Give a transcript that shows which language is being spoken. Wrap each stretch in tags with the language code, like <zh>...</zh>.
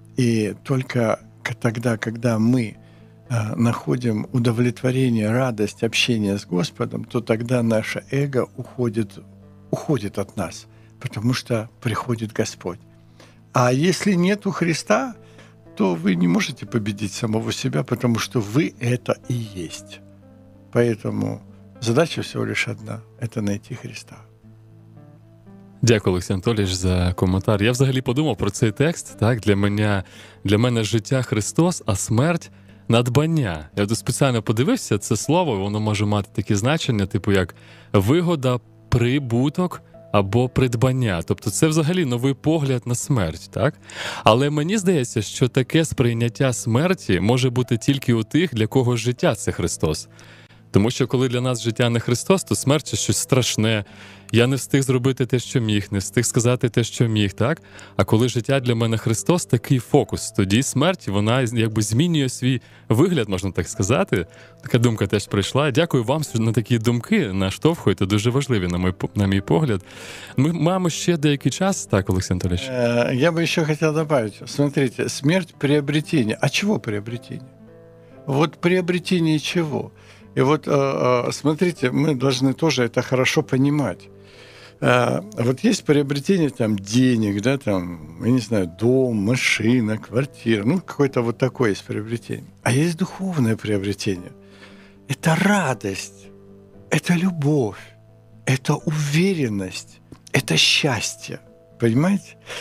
<ru>И только тогда, когда мы находим удовлетворение, радость общения с Господом, то тогда наше эго уходит от нас, потому что приходит Господь. А если нету Христа, то вы не можете победить самого себя, потому что вы это и есть. Поэтому задача всего лишь одна — это найти Христа.</ru> <uk>Дякую, Олексій Анатолійович, за коментар. Я взагалі подумав про цей текст. Так, для мене життя — Христос, а смерть — надбання. Я тут спеціально подивився це слово, воно може мати таке значення, типу як вигода, прибуток або придбання. Тобто це взагалі новий погляд на смерть, так? Але мені здається, що таке сприйняття смерті може бути тільки у тих, для кого життя — це Христос. Тому що коли для нас життя не Христос, то смерть — це щось страшне. Я не встиг зробити те, що міг, не встиг сказати те, що міг, так? А коли життя для мене Христос — такий фокус, тоді смерть, вона якби змінює свій вигляд, можна так сказати. Така думка теж прийшла. Дякую вам на такі думки, наштовхуєте, дуже важливі, на мій погляд. Ми маємо ще деякий час, так, Олексій Анатолійович? Я би ще хотів додати.</uk> <ru>Смотрите, смерть — приобретіння. А чого приобретіння? От приобретіння чого? И вот, смотрите, мы должны тоже это хорошо понимать. Вот есть приобретение там денег, да, там, я не знаю, дом, машина, квартира, ну, какое-то вот такое есть приобретение. А есть духовное приобретение. Это радость, это любовь, это уверенность, это счастье, понимаете?</ru>